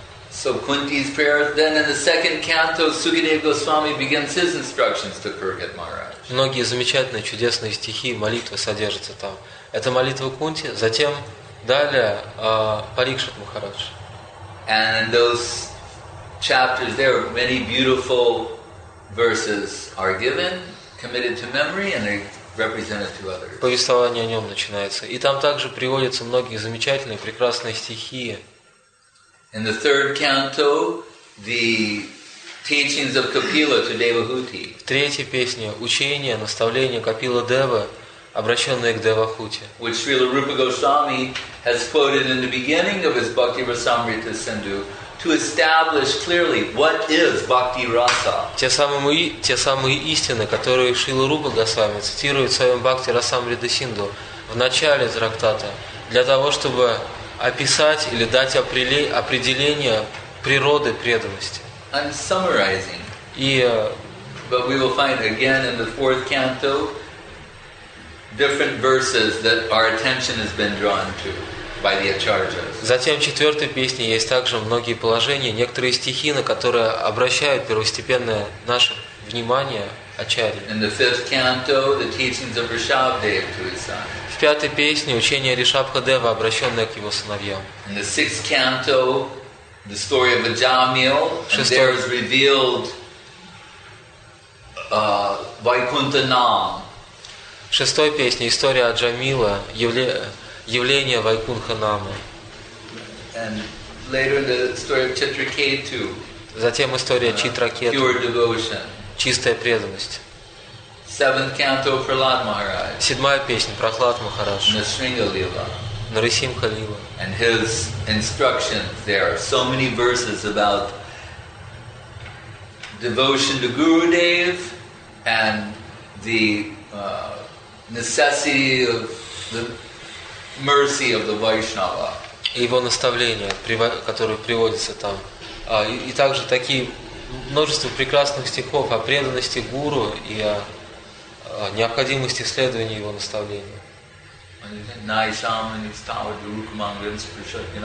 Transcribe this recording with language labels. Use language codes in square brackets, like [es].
[en] So Kunti's prayer, then in the second canto, Sukadeva Goswami begins his instructions to Purohit Maharaj. [ru] Многие замечательные, чудесные стихи, молитвы содержатся там. Это молитва Кунти, затем далее Парикшит Махарадж. [en] And in those chapters there, many beautiful verses are given, committed to memory, and they represented to others. [ru] Повествование о нем начинается. И там также приводятся многие замечательные, прекрасные стихи. [en] In the third canto, the teachings of Kapila to Devahuti. [ru] В третьей песне учение, наставление Капила Дева, обращенное к Девахути. [en] Which Srila Rupa Goswami has quoted in the beginning of his Bhakti Rasamrita Sindhu to establish clearly what is Bhakti Rasa. [ru] Те самые истины, которые Шрила Рупа Госвами цитирует в своем Бхакти Расамрита Синдху в начале трактата, для того, чтобы описать или дать определение природы преданности. [en] I'm summarizing. But we will find again in the fourth canto different verses that our attention has been drawn to by the acharyas. [ru] Затем в четвертой песне есть также многие положения, некоторые стихи, на которые обращают первостепенное наше внимание ачарьи. [en] In the fifth canto, the teachings of Rishabhadev to his son. [ru] В пятой песне учение Ришабхадева, обращенное к его сыновьям. [en] In the sixth canto, the story of Ajamil, and there is revealed Vaikuntha Nam. [ru] Шестой песне история Аджамила, явление Вайкунха Нама. [en] And later the story of Chitraketu. [ru] Затем история Читракету. [en] Pure devotion. [ru] Чистая преданность. [en] Seventh canto Prahlad Maharaj. [ru] Седьмая песня Прохлад Махарадж. Нарисимха Лила. Нарисимха Лила. [en] And his instructions there. So many verses about devotion to Gurudev and the necessity of the mercy of the Vaishnava. [ru] И его наставления, которые приводятся там, и также такие множество прекрасных стихов о преданности гуру и о необходимости следования его наставлению.